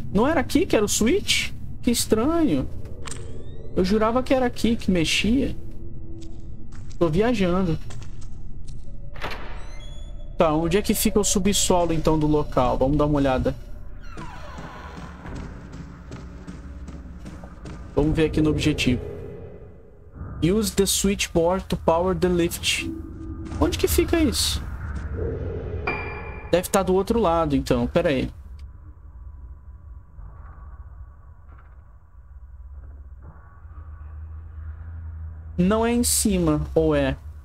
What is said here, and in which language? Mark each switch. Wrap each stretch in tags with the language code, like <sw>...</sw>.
<pt>Não era aqui que era o switch? Que estranho. Eu jurava que era aqui que mexia. Tô viajando. Tá, onde é que fica o subsolo então do local? Vamos dar uma olhada. Vamos ver aqui no objetivo.</pt> <en>Use the switchboard to power the lift.</en> <pt>Onde que fica isso? Deve estar do outro lado então, pera aí. Não é em cima, ou é?</pt>